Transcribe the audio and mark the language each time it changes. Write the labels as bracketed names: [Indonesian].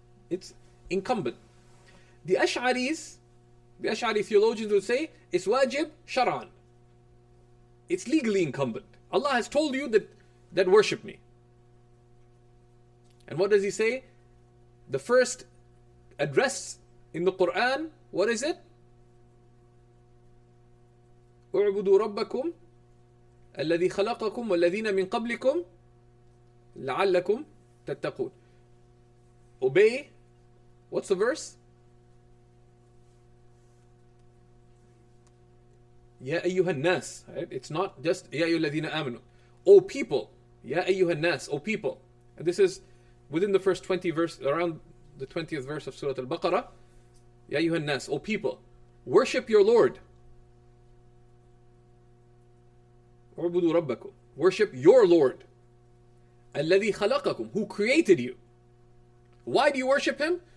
[English] It's incumbent. The Ash'ari theologians would say, it's wajib shar'an. It's legally incumbent. Allah has told you that worship me. And what does he say? The first address in the Quran, what is it? [Arabic] اعبدوا ربكم الذي خلقكم والذين من قبلكم لعلكم تتقون. [English] Obey. What's the verse? [Arabic] يا أيها الناس. [English] It's not just [Arabic] يا أيها الذين آمنوا. [English] O people. [Arabic] يا أيها الناس. [English] O people. And this is within the first 20 verse, around the 20th verse of Surah Al-Baqarah. [Arabic] يا أيها الناس. [English] O people. Worship your Lord. [Arabic] اعبدوا ربكم. [English] Worship your Lord. [Arabic] الذي خلقكم. [English] Who created you. Why do you worship him?